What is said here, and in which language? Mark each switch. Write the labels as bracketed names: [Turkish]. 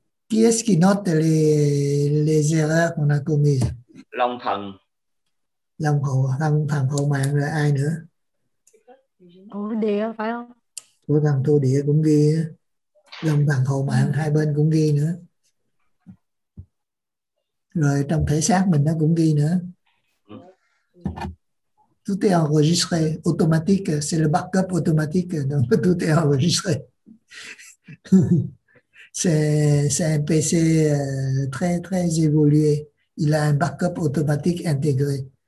[French] Qui est-ce qui note les erreurs qu'on a commises? [Vietnamese] Long thần. Long hồ, long thần hồ mạng rồi ai nữa? Thu địa phải không? Thu thần thu địa cũng ghi. Long thần hồ mạng hai bên cũng ghi nữa. Rồi trong thể xác mình nó cũng ghi nữa. [French] Tout est enregistré automatique. C'est le backup automatique. Donc tout est enregistré. C'est un PC très, très évolué. Il a un backup automatique intégré.